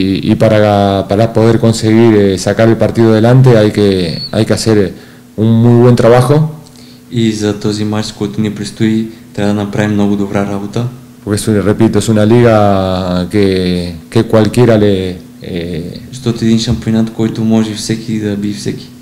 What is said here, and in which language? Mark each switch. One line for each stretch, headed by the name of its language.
Spanish: Y para poder conseguir sacar el partido adelante hay que hacer un muy buen trabajo.
Bulgarian: Y за този матч, който ни предстои, трябва да направим много добра работа.
Spanish: Porque repito, es una liga que cualquiera le
Bulgarian: Защото един шампионат, който може всеки да би всеки.